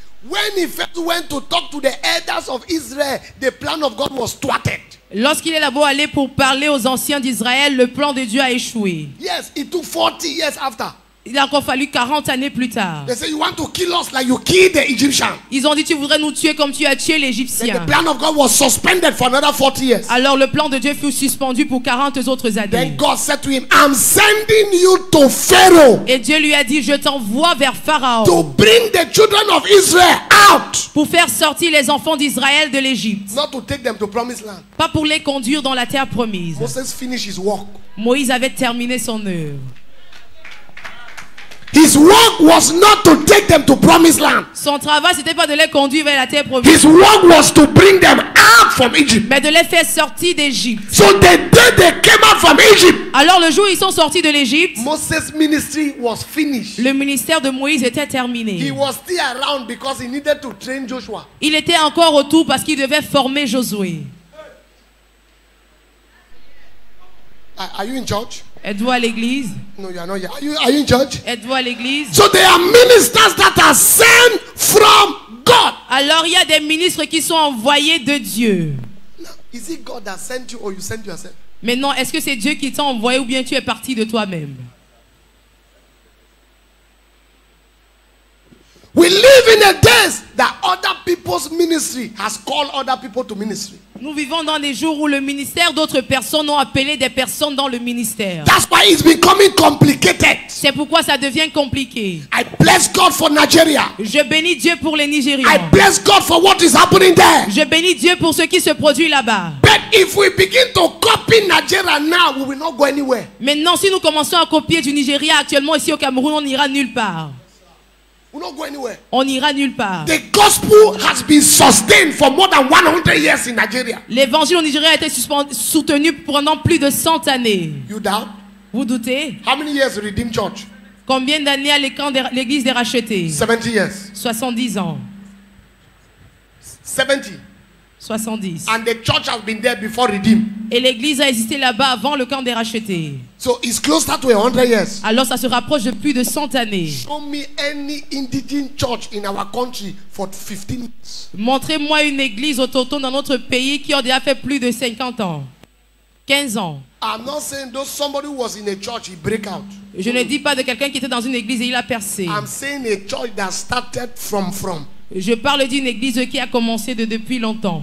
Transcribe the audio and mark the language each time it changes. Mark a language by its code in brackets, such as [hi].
[en] When he first went to talk to the elders of Israel, the plan of God was thwarted. [fr] Lorsqu'il est là-bas allé pour parler aux anciens d'Israël, le plan de Dieu a échoué. [en] Yes, it took 40 years after. [fr] Il a encore fallu 40 années plus tard. [en] They say you want to kill us like you killed the Egyptian. [fr] Ils ont dit tu voudrais nous tuer comme tu as tué l'Égyptien. [en] The plan of God was suspended for another 40 years. [fr] Alors le plan de Dieu fut suspendu pour 40 autres années. [en] Then God said to him, I'm sending you to Pharaoh. [fr] Et Dieu lui a dit je t'envoie vers Pharaon. [en] To bring the children of Israel out. [fr] Pour faire sortir les enfants d'Israël de l'Égypte. [en] Not to take them to promised land. [fr] Pas pour les conduire dans la terre promise. [en] Moses finished his work. [fr] Moïse avait terminé son œuvre. [en] His work was not to take them to promised land. [fr] Son travail c'était pas de les conduire vers la terre promise. [en] His work was to bring them out from Egypt. [fr] Mais de les faire sortir d'Égypte. [en] So the day they came out from Egypt. [fr] Alors le jour où ils sont sortis de l'Égypte. [en] Moses' ministry was finished. [fr] Le ministère de Moïse était terminé. [en] He was still around because he needed to train Joshua. [fr] Il était encore autour parce qu'il devait former Josué. [en] Are you in church? [fr] Êtes-vous à l'église? [en] No, you are not here. Are you in church? [fr] Êtes-vous à l'église? [en] So there are ministers that are sent from God. [fr] Alors il y a des ministres qui sont envoyés de Dieu. [en] Now, is it God that sent you or you sent yourself? [fr] Mais non, est-ce que c'est Dieu qui t'a envoyé ou bien tu es parti de toi-même? [en] We live in a days that other people's ministry has called other people to ministry. [fr] Nous vivons dans des jours où le ministère d'autres personnes ont appelé des personnes dans le ministère. [en] That's why it's becoming complicated. [fr] C'est pourquoi ça devient compliqué. [en] I bless God for Nigeria. [fr] Je bénis Dieu pour les Nigériens. [en] I bless God for what is happening there. [fr] Je bénis Dieu pour ce qui se produit là-bas. [en] But if we begin to copy Nigeria now, we will not go anywhere. [fr] Maintenant, si nous commençons à copier du Nigeria actuellement ici au Cameroun, on n'ira nulle part. [en] We'll not go anywhere. [fr] On n'ira nulle part. [en] The gospel has been sustained for more than 100 years in Nigeria. [fr] L'évangile au Nigeria a été soutenu pendant plus de 100 années. [en] You doubt? [fr] Vous doutez? [en] How many years Redeemed Church? [fr] Combien d'années à l'écran l'église des rachetés? [en] 70 years. [fr] 70 ans. [en] 70. [fr] 70. [en] And the church has been there before Redeemed. [fr] Et l'église a existé là-bas avant le camp des rachetés. [en] So it's closer to 100 years. [fr] Alors ça se rapproche de plus de 100 années. [en] Show me any indigenous church in our country for 15 years. [fr] Montrez-moi une église autochtone dans notre pays qui a déjà fait plus de 50 ans. 15 ans. [en] I'm not saying that somebody was in a church, he break out. [fr] Je ne dis pas de quelqu'un qui était dans une église et il a percé. [en] I'm saying a church that started from. [fr] Je parle d'une église qui a commencé de depuis longtemps.